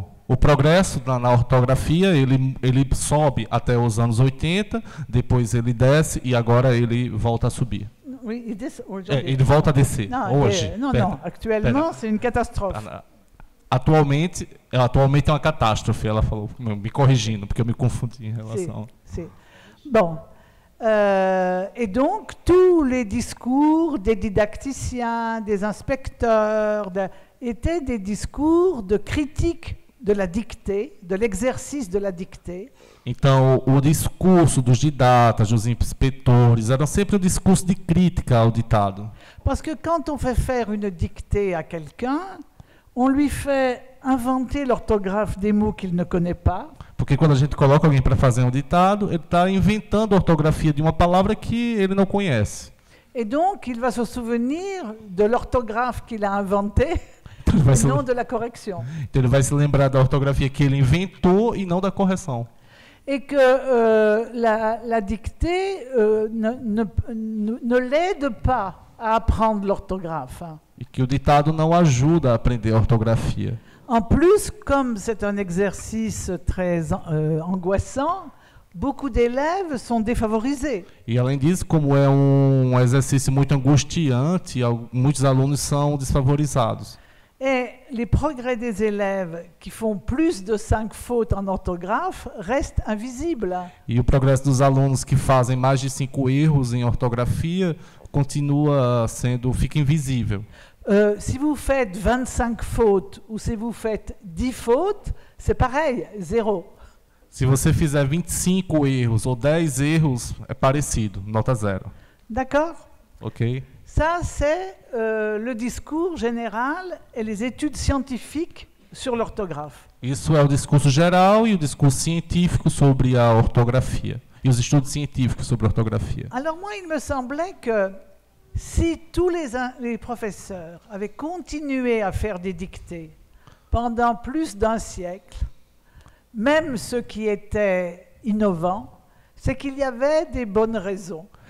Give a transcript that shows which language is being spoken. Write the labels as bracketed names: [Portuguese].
[Portuguese] O progresso na ortografia, ele sobe até os anos 80, depois ele desce e agora ele volta a subir. [French] Oui, [Portuguese] ele volta a descer hoje. [French] Actuellement, c'est une catastrophe. [Portuguese] Atualmente é uma catástrofe, ela falou, me corrigindo, porque eu me confundi em relação. Sim. Bom. [French] Et donc tous les discours des didacticiens, des inspecteurs étaient des discours de critique de la dictée, de l'exercice de la dictée. [Portuguese] Então, o discurso dos didatas, dos inspetores, era sempre um discurso de crítica ao ditado. [French] Parce que quand on fait faire une dictée à quelqu'un, on lui fait inventer l'orthographe des mots qu'il ne connaît pas. [Portuguese] Porque quando a gente coloca alguém para fazer um ditado, ele está inventando a ortografia de uma palavra que ele não conhece. [French] E donc, il va se souvenir de l'orthographe qu'il a inventé, não de la correction. [Portuguese] Então, ele vai se lembrar da ortografia que ele inventou e não da correção. [French] E que la dictée ne l'aide pas à apprendre l'orthographe. [Portuguese] E que o ditado não ajuda a aprender a ortografia. [French] En plus, comme c'est un exercice très angoissant, beaucoup d'élèves sont défavorisés. [Portuguese] E além disso, como é um exercício muito angustiante, muitos alunos são desfavorizados. [French] Et les progrès des élèves qui font plus de 5 fautes en orthographe restent invisibles. [Portuguese] E o progresso dos alunos que fazem mais de 5 erros em ortografia continua sendo fica invisível. [French] Si vous faites 25 fautes ou si vous faites 10 fautes, c'est pareil, 0. [Portuguese] Se você fizer 25 erros ou 10 erros, é parecido, nota 0. [French] D'accord? [Portuguese] OK. [French] Ça c'est le discours général et les études scientifiques sur l'orthographe. [Portuguese] Isso é o discurso geral e o discurso científico sobre a ortografia e os estudos científicos sobre a ortografia. [French] Alors moi, il me semblait que Si tous les professeurs avaient continué à faire des dictées pendant plus d'un siècle, même ceux qui étaient innovants, c'est qu'il y avait des bonnes raisons.